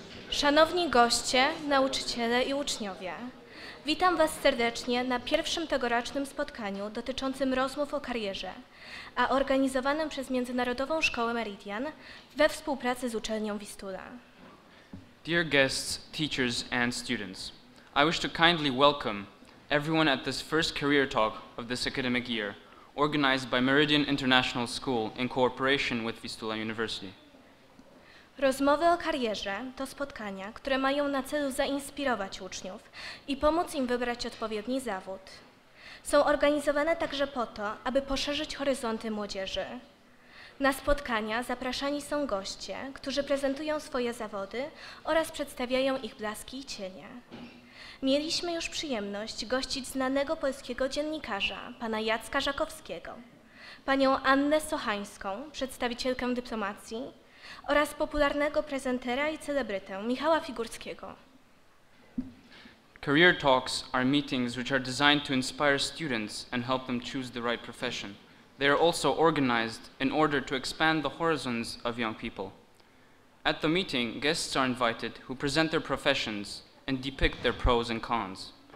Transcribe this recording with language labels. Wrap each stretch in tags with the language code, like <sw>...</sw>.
<pl>Szanowni goście, nauczyciele i uczniowie, witam Was serdecznie na pierwszym tegorocznym spotkaniu dotyczącym rozmów o karierze, a organizowanym przez Międzynarodową Szkołę Meridian we współpracy z Uczelnią Vistula.</pl> <en>Dear guests, teachers and students, I wish to kindly welcome everyone at this first career talk of this academic year, organized by Meridian International School in cooperation with Vistula University.</en> <pl>Rozmowy o karierze to spotkania, które mają na celu zainspirować uczniów i pomóc im wybrać odpowiedni zawód. Są organizowane także po to, aby poszerzyć horyzonty młodzieży. Na spotkania zapraszani są goście, którzy prezentują swoje zawody oraz przedstawiają ich blaski i cienie. Mieliśmy już przyjemność gościć znanego polskiego dziennikarza, pana Jacka Żakowskiego, panią Annę Sochańską, przedstawicielkę dyplomacji, oraz popularnego prezentera i celebrytę Michała Figurskiego.</pl> <en>Career talks are meetings which are designed to inspire students and help them choose the right profession. They are also organized in order to expand the horizons of young people. At the meeting, guests are invited who present their professions and depict their pros and cons.</en>